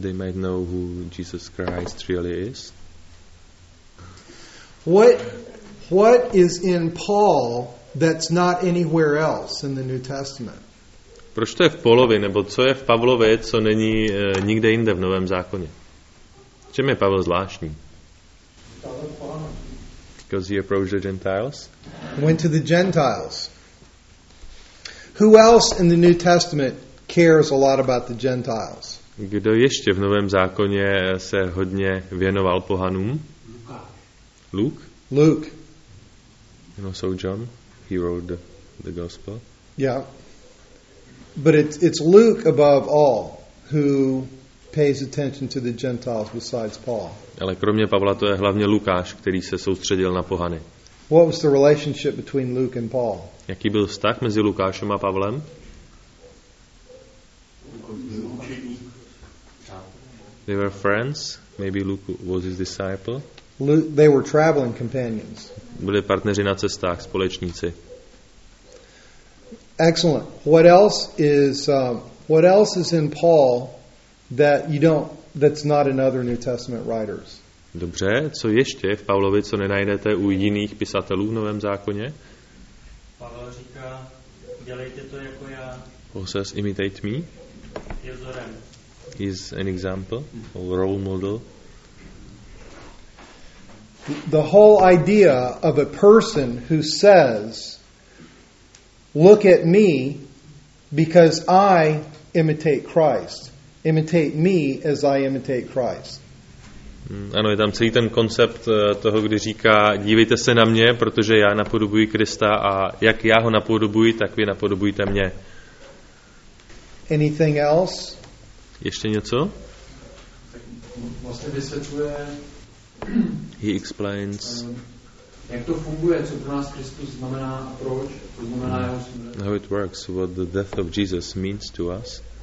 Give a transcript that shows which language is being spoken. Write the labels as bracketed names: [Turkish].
[English] they might know who Jesus Christ really is. What is in Paul that's not anywhere else in the New Testament? [Czech] Proč to je v Paulovi, nebo co je v Pavlovi, co není nikde jinde v Novém zákoně? V čem je Pavel zvláštní? [English] Because he approached the Gentiles. Went to the Gentiles. Who else in the New Testament cares a lot about the Gentiles? [Czech] Kdo ještě v Novém zákoně se hodně věnoval pohanům? [English] Luke. You know, so John, he wrote the gospel. Yeah. But it's Luke above all who pays attention to the Gentiles besides Paul. [Czech] Ale kromě Pavla to je hlavně Lukáš, který se soustředil na pohany. [English] What was the relationship between Luke and Paul? [Czech] Jaký byl vztah mezi Lukášem a Pavlem? [English] They were friends. Maybe Luke was his disciple. They were traveling companions. [Czech] Byli partneři na cestách, společníci. [English] Excellent. What else is in Paul that you don't that's not in other New Testament writers? [Czech] Dobře, co ještě v Pavlovi, co nenajdete u jiných pisatelů v Novém zákoně? Pavel říká, dělejte to jako já. [English] Paul says, imitate me. [Czech] Je vzorem. [English] Is an example or role model. The whole idea of a person who says, look at me because I imitate Christ. Imitate me as I imitate Christ. [Czech] Ano, je tam celý ten koncept toho, kdy říká, dívejte se na mě, protože já napodobuji Krista a jak já ho napodobuji, tak vy napodobujte mě. [English] Anything else? [Czech] Ještě něco? Vlastně vysvětluje. [English] He explains. [Czech] Jak to funguje, co pro nás Kristus znamená a proč? To znamená jeho smrt. [English] How it works, what the death of Jesus means to us.